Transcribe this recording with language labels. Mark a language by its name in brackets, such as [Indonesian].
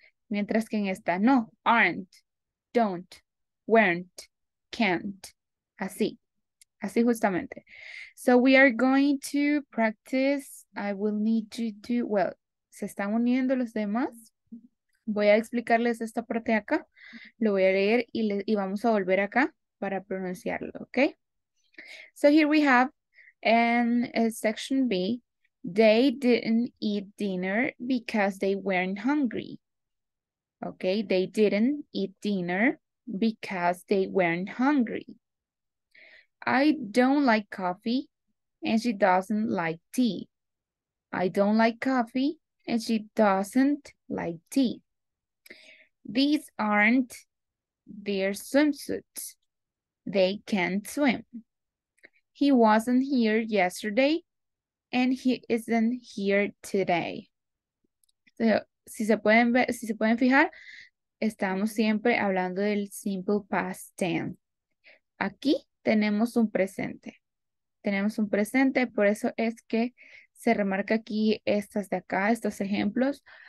[Spanish] Mientras que en esta, no. Aren't, don't, weren't, can't. Así. Así justamente. [English] So we are going to practice. I will need you to, well, [Spanish] se están uniendo los demás. Voy a explicarles esta parte acá. Lo voy a leer y vamos a volver acá para pronunciarlo, okay? [English] So here we have in section B, they didn't eat dinner because they weren't hungry. Okay, they didn't eat dinner because they weren't hungry. I don't like coffee and she doesn't like tea. I don't like coffee and she doesn't like tea. These aren't their swimsuits. They can't swim. He wasn't here yesterday and he isn't here today. [Spanish] So, si se pueden fijar, estamos siempre hablando del simple past tense. Aquí tenemos un presente. Tenemos un presente, por eso es que se remarca aquí estas de acá, estos ejemplos.